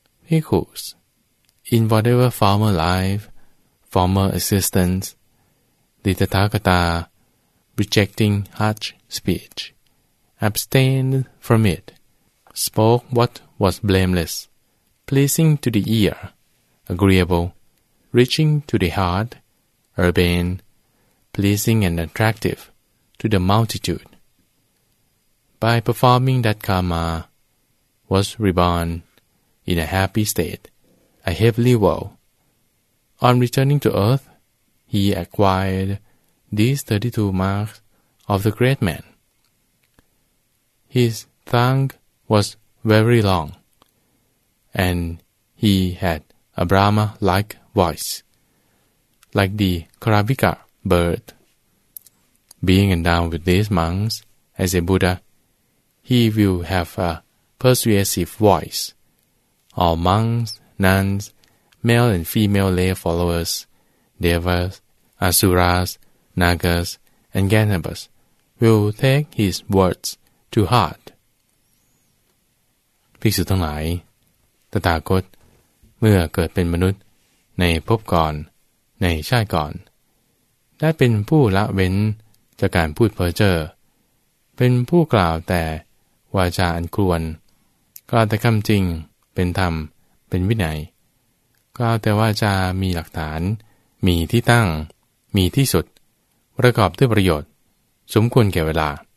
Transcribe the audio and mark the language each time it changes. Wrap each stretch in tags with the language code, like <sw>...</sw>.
<en>Because, in whatever former life, former existence, the Tathagata, rejecting harsh speech, abstained from it, spoke what was blameless, pleasing to the ear, agreeable, reaching to the heart, urbane, pleasing and attractive to the multitude. By performing that karma, was reborn. In a happy state, a heavenly woe. On returning to earth, he acquired these 32 marks of the great man. His tongue was very long, and he had a Brahma-like voice, like the Karavika bird. Being endowed with these marks as a Buddha, he will have a persuasive voice. All monks, nuns, male and female lay followers, devas, asuras, nagas, and ganabas will take his words to heart.</en> <th>ภิกษุทั้งหลายตถาคตเมื่อเกิดเป็นมนุษย์ในภพก่อนในชาติก่อนได้เป็นผู้ละเว้นจากการพูดเพ้อเจ้อเป็นผู้กล่าวแต่วาจาอันควรกล่าวแต่คำจริงเป็นธรรมเป็นวินัยกล่าวแต่ว่าจะมีหลักฐานมีที่ตั้งมีที่สุดประกอบด้วยประโยชน์สมควรแก่เวลา</th>